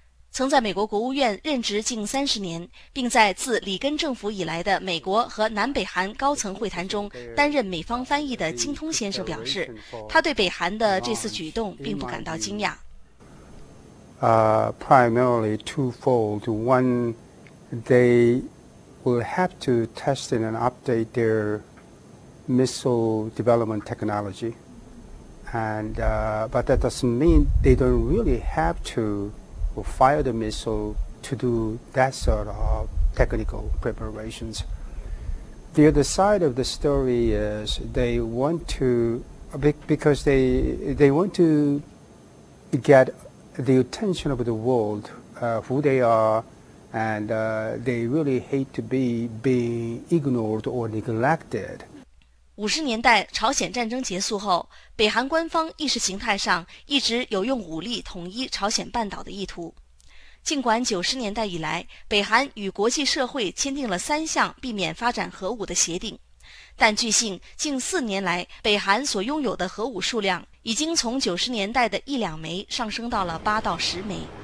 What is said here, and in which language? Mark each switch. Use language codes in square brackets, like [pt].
[zh] 曾在美国国务院任职近30年，并在自里根政府以来的美国和南北韩高层会谈中担任美方翻译的金通先生表示，他对北韩的这次举动并不感到惊讶。 [en] Primarily twofold. One, they will have to test and update their missile development technology, and but that doesn't mean they don't really have to. Will fire the missile to do that sort of technical preparations. The other side of the story is they want to, because they want to get the attention of the world, who they are, and they really hate to be being ignored or neglected. [zh] 50年代朝鲜战争结束后，北韩官方意识形态上一直有用武力统一朝鲜半岛的意图。尽管90年代以来，北韩与国际社会签订了3项避免发展核武的协定，但据信，近4年来，北韩所拥有的核武数量已经从90年代的1-2枚上升到了8到10枚。